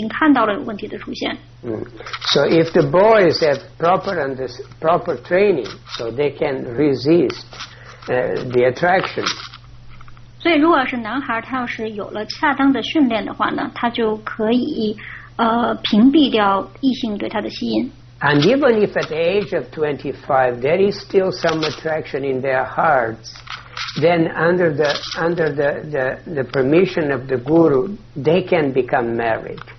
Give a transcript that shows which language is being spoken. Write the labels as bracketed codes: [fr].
[zh] 还有没有任何的苦行的状态下去让男人跟女人混在一起的话呢，那也会有很多的问题的出现，而且我们已经看到了有问题的出现。 [en] So if the boys have proper and this proper training, so they can resist the attraction. [zh] 所以如果是男孩他要是有了恰当的训练的话呢，他就可以屏蔽掉异性对他的吸引。 [en] And even if at the age of 25 there is still some attraction in their hearts, then under the permission of the guru, they can become married.